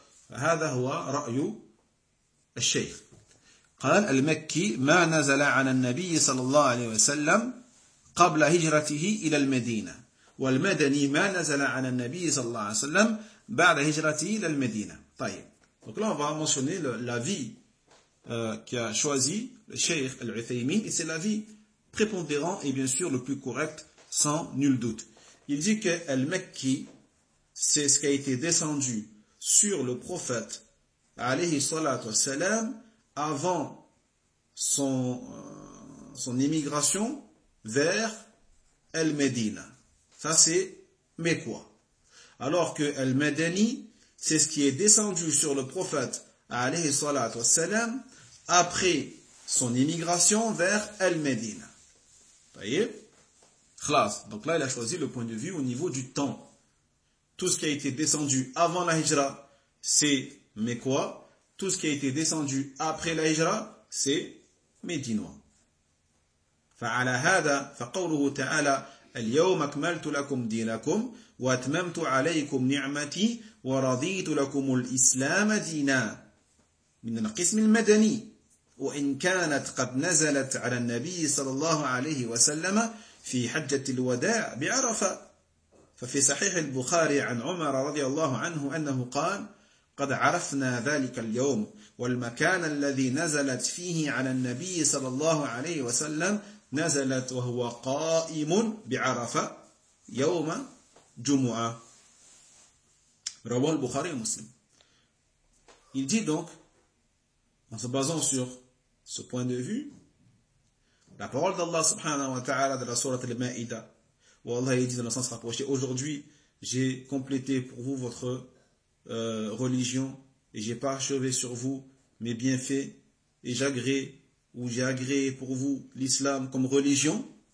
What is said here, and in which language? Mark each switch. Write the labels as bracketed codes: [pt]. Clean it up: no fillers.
[ar] هذا هو رأي الشيخ. قال المكي ما نزل على النبي صلى الله عليه وسلم قبل هجرته إلى المدينة، والمدني ما نزل على النبي صلى الله عليه وسلم بعد هجرته إلى المدينة. طيب. [fr] Donc là on va mentionner l'avis qui a choisi le cheikh al-Uthaymeen, et c'est l'avis prépondérant et bien sûr le plus correct sans nul doute. Il dit que al-Makki c'est ce qui a été descendu sur le prophète alayhi salat wa salam avant son émigration vers Al-Medina. Ça c'est Mekwa. Alors que Al-Madani, c'est ce qui est descendu sur le prophète alayhi salat wa salam après son émigration vers Al-Medina. Voyez? Khlas. Donc là, il a choisi le point de vue au niveau du temps. Tout ce qui a été descendu avant la hijra, c'est Mekwa. Tout ce qui a été descendu après la hijra, c'est Médinois. [ar] فعلى هذا فقوله تعالى اليوم أكملت لكم دينكم وأتممت عليكم نعمتي ورضيت لكم الإسلام دينا من القسم المدني وإن كانت قد نزلت على النبي صلى الله عليه وسلم في حجة الوداع بعرفة. ففي صحيح البخاري عن عمر رضي الله عنه أنه قال قد عرفنا ذلك اليوم والمكان الذي نزلت فيه على النبي صلى الله عليه وسلم نزلت وهو قائم بعرفة يوم جمعة. رواه البخاري ومسلم. [fr] Il dit donc, en se basant sur ce point de vue, la parole d'Allah subhanahu wa ta'ala de la sourate Al-Ma'ida, où Allah dit dans le sens rapproché, aujourd'hui j'ai complété pour vous votre religion et j'ai parachevé sur vous mes bienfaits et j'agrée où j'ai agréé pour vous l'islam comme religion.